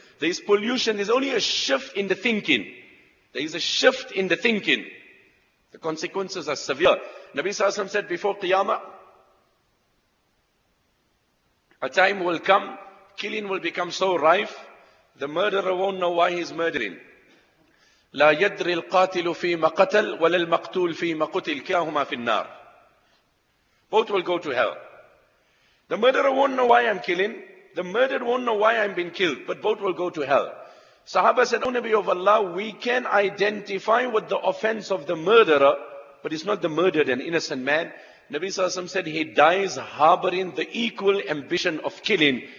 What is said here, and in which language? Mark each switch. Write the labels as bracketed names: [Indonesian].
[English] There is pollution, there's only a shift in the thinking. There is a shift in the thinking. The consequences are severe. Nabi Sallallahu Alaihi Wasallam said before Qiyamah, a time will come, killing will become so rife, the murderer won't know why he's murdering. [Arabic] لا يدري القاتل فيما قتل ولا المقتول فيما قتل كلاهما في النار. [English] Both will go to hell. The murderer won't know why I'm killing. The murdered won't know why I'm being killed. But both will go to hell. Sahaba said, O Nabi of Allah, we can identify with the offense of the murderer, but it's not the murdered, an innocent man. Nabi Sallallahu Alaihi Wasallam said, he dies harboring the equal ambition of killing.